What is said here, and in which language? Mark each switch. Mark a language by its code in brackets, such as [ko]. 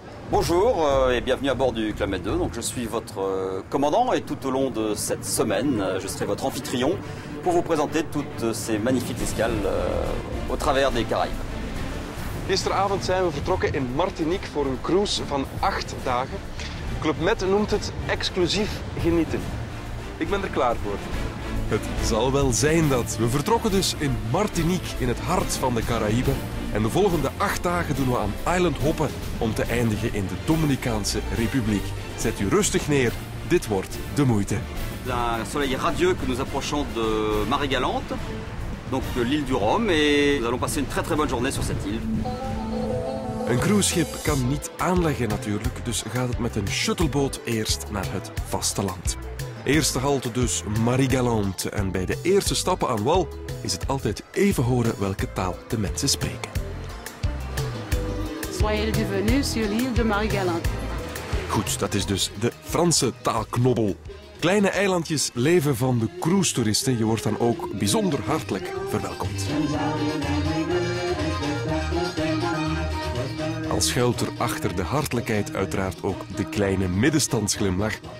[fr] Bonjour et bienvenue à bord du Club Med 2. Donc, je suis votre commandant et tout au long de cette semaine, je serai votre amphitryon pour vous présenter toutes ces magnifiques escales au travers des Caraïbes. [nl] Gisteravond zijn we vertrokken in Martinique voor een cruise van 8 dagen. Club Med noemt het exclusief genieten. Ik ben er klaar voor. Het zal wel zijn dat. We vertrokken dus in Martinique, in het hart van de Caraïbe. En de volgende 8 dagen doen we aan Island Hoppen om te eindigen in de Dominicaanse Republiek. Zet u rustig neer, dit wordt de moeite. [fr] La soleil radieux que nous approchons de Marie Galante, donc l'île du Rhum, et nous allons passer une très très bonne journée sur cette île. [nl] Een cruiseschip kan niet aanleggen natuurlijk, dus gaat het met een shuttleboot eerst naar het vasteland. Eerste halte dus Marie Galante. En bij de eerste stappen aan wal is het altijd even horen welke taal de mensen spreken. [fr] Soyez le bienvenu sur l'île de Marie Galante. [nl] Goed, dat is dus de Franse taalknobbel. Kleine eilandjes leven van de cruistoeristen. Je wordt dan ook bijzonder hartelijk verwelkomd. Al schuilt er achter de hartelijkheid uiteraard ook de kleine middenstandsglimlach.